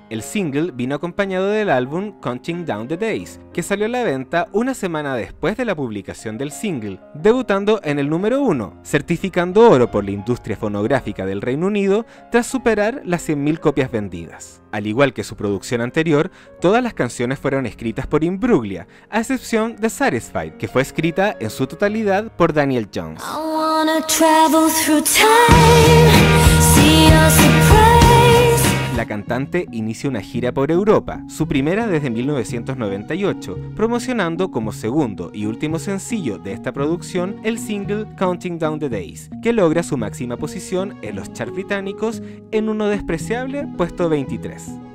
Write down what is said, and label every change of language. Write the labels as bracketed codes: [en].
[es] El single vino acompañado del álbum Counting Down the Days, que salió a la venta una semana después de la publicación del single, debutando en el número 1, certificando oro por la industria fonográfica del Reino Unido tras superar las 100.000 copias vendidas. Al igual que su producción anterior, todas las canciones fueron escritas por Imbruglia, a excepción de Satisfied, que fue escrita en su totalidad por Daniel Jones. [en] I wanna travel through time, see a surprise. [es] La cantante inicia una gira por Europa, su primera desde 1998, promocionando como segundo y último sencillo de esta producción el single Counting Down the Days, que logra su máxima posición en los charts británicos en uno despreciable puesto 23.